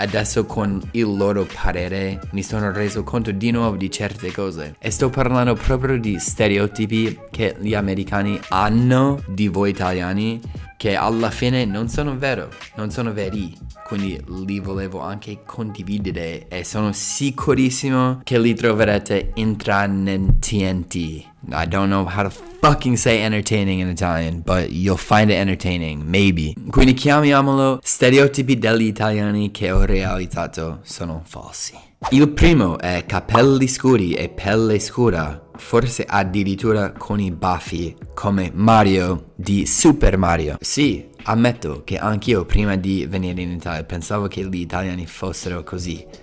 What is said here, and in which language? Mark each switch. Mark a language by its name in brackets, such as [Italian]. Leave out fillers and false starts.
[Italian] Adesso con il loro parere mi sono reso conto di nuovo di certe cose, e sto parlando proprio di stereotipi che gli americani hanno di voi italiani, che alla fine non sono vero, non sono veri. Quindi li volevo anche condividere, e sono sicurissimo che li troverete intrattenenti. [English] I don't know how to fucking say entertaining in Italian, but you'll find it entertaining, maybe. [Italian] Quindi chiamiamolo stereotipi degli italiani che ho realizzato sono falsi. Il primo è capelli scuri e pelle scura, forse addirittura con i baffi, come Mario di Super Mario. Sì, ammetto che anch'io prima di venire in Italia pensavo che gli italiani fossero così.